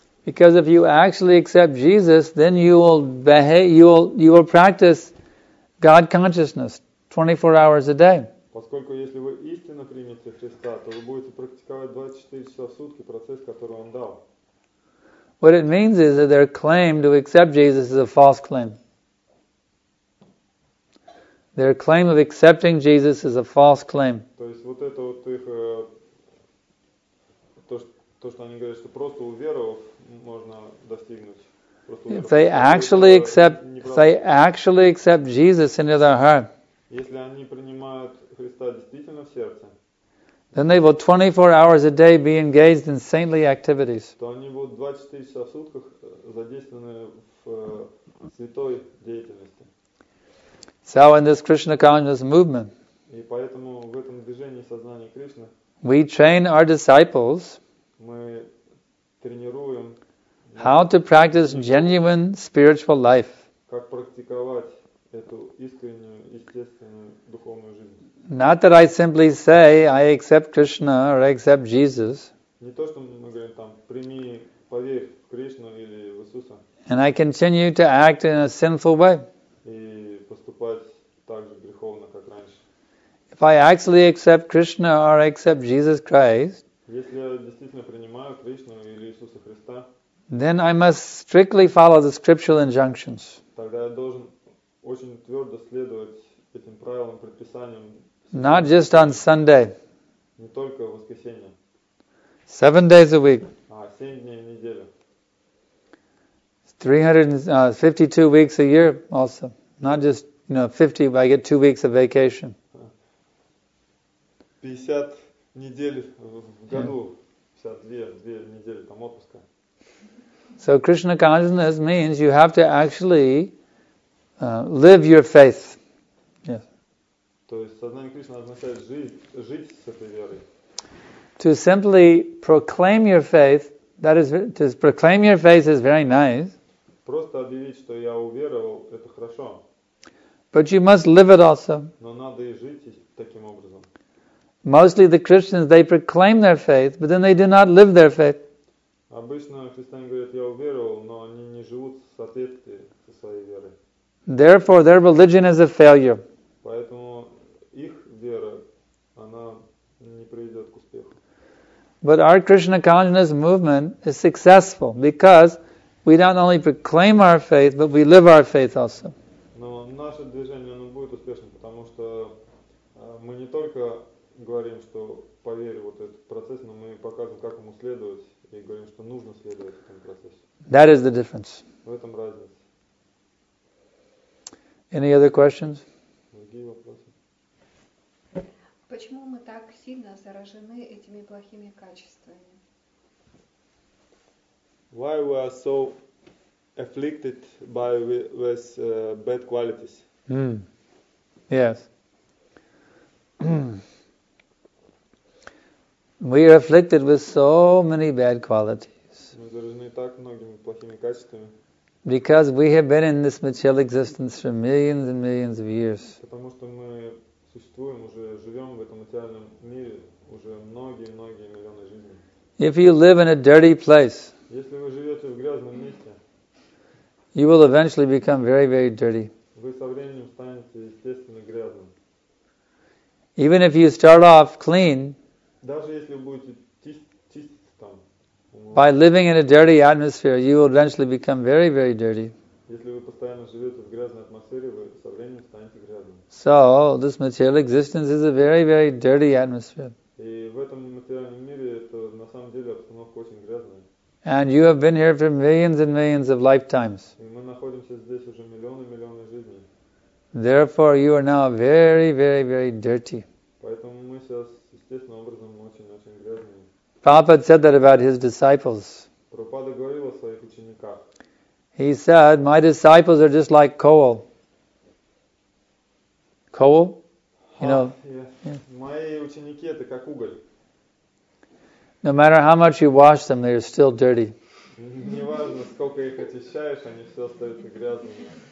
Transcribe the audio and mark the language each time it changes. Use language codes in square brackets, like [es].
[en] Because if you actually accept Jesus, then you will behave, you will practice God consciousness 24 hours a day. [ru] Поскольку если вы истинно примете Христа, то вы будете практиковать 24 часа в сутки процесс, который он дал. [en] What it means is that their claim to accept Jesus is a false claim. Their claim of accepting Jesus is a false claim. [ru] То есть вот это вот их то, что они говорят, что просто уверовав можно достигнуть. [en] If they actually accept Jesus into their heart, [ru] если они принимают Христа действительно в сердце, [en] then they will 24 hours a day be engaged in saintly activities. [ru] То они будут 24 часа в сутках задействованы в святой деятельности. [en] So in this Krishna consciousness movement, [ru] и поэтому в этом движении сознания Кришны, [en] we train our disciples, [ru] мы тренируем, [en] how to practice genuine spiritual life. [ru] Как практиковать эту искреннюю, естественную духовную жизнь. [en] Not that I simply say I accept Krishna or I accept Jesus. [ru] Не то, что мы говорим там, прими, поверь в Кришну или в Иисуса. [en] And I continue to act in a sinful way. [ru] И поступать так же греховно, как раньше. [en] If I actually accept Krishna or I accept Jesus Christ, [ru] если я действительно принимаю Кришну или Иисуса Христа, [en] then I must strictly follow the scriptural injunctions. [ru] Тогда я должен очень твердо следовать этим правилам, предписаниям. [en] Not just on Sunday. [ru] Не только в воскресенье. [en] 7 days a week. [ru] А, 7 дней в неделю. [en] 352 weeks a year also. Not just, you know, 50, but I get 2 weeks of vacation. [ru] 50 недель в году. 52 недели там отпуска. [en] So Krishna consciousness means you have to actually live your faith. Yes. [ru] То есть сознание Кришны означает жить с этой верой. [en] To simply proclaim your faith, that is, to proclaim your faith is very nice. [ru] Просто объявить, что я уверовал, это хорошо. [en] But you must live it also. [ru] Но надо и жить таким образом. [en] Mostly the Christians, they proclaim their faith, but then they do not live their faith. [ru] Обычно христиане говорят, я уверовал, но они не живут в соответствии со своей верой. [en] Therefore, their religion is a failure. [ru] Поэтому их вера, она не приведет к успеху. [en] But our Krishna consciousness movement is successful because we not only proclaim our faith, but we live our faith also. [ru] Но наше движение, оно будет успешным, потому что мы не только говорим, что поверь вот этот процесс, но мы покажем, как ему следовать. И говорим, что нужно следовать этому процессу. [en] That is the difference. [ru] В этом разница. [en] Any other questions? [ru] Другие вопросы. Почему мы так сильно заражены этими плохими качествами? [en] Why we are so afflicted by with bad qualities? Mm. Yes. We are afflicted with so many bad qualities. [ru] Мы заражены так многими плохими качествами. [en] Because we have been in this material existence for millions and millions of years. [ru] Потому что мы существуем уже, живем в этом материальном мире уже многие миллионы жизней. [en] If you live in a dirty place, [ru] если вы живете в грязном месте, [en] you will eventually become very, very dirty. [ru] Вы со временем станете естественно грязным. [en] Even if you start off clean, [ru] даже если вы будете чиститься там, [en] by living in a dirty atmosphere, you will eventually become very, very dirty. [ru] Если вы постоянно живете в грязной атмосфере, вы со временем станете грязным. [en] So this material existence is a very, very dirty atmosphere. [ru] И в этом материальном мире это на самом деле обстановка очень грязная. [en] And you have been here for millions and millions of lifetimes. [ru] И мы находимся здесь уже миллионы жизней. [en] Therefore, you are now very, very, very dirty. [ru] Поэтому мы сейчас естественным образом очень грязный. [en] Prabhupada said that about his disciples. [ru] Prabhupada говорил о своих учениках. [en] He said, my disciples are just like coal. Coal? You know? Yeah. [ru] Yeah. Мои ученики это как уголь. [en] No matter how much you wash them, they are still dirty. [ru] Не важно, сколько их очищаешь, они все остаются грязными.